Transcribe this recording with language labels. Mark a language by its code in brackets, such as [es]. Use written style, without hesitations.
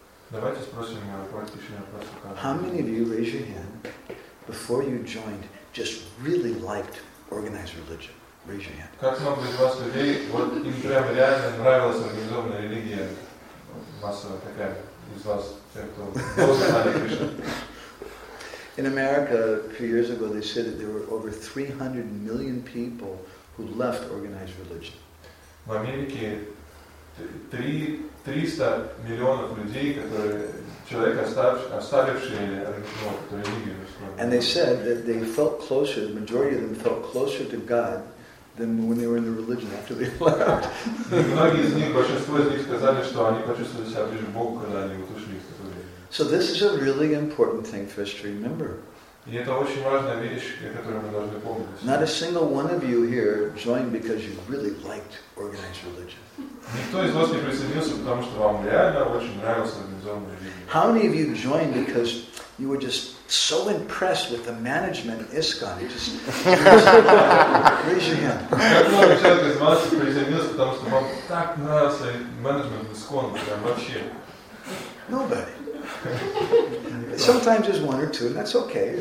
[ru] Давайте спросим практичный вопрос. [en] How many of you raise your hand before you joined just really liked organized religion? Raise your hand. [ru] Как много из вас людей, вот им прям реально нравилась организованная религия, массовая такая, из вас, тех, кто долго знали Кришну? [en] In America, a few years ago, they said that there were over 300 million people who left organized religion. [ru] В Америке 300 миллионов людей, оставившие религию. [en] And they said that they felt closer, the majority of them felt closer to God than when they were in the religion after they left. [ru] Многие из них, большинство из них сказали, что они почувствовали себя ближе к Богу, когда они ушли из этого. [en] So this is a really important thing for us to remember. [ru] И это очень важная вещь, которую мы должны помнить. [en] Not a single one of you here joined because you really liked organized religion. [ru] Никто из вас не присоединился, потому что вам реально очень нравилась организованная религия. [en] How many of you joined because you were just so impressed with the management of ISKCON? Just raise your hand. [ru] Как много человек из вас присоединился, потому что вам так нравился менеджмент ISKCON, прям вообще. [en] Nobody. Sometimes there's one or two, and that's okay.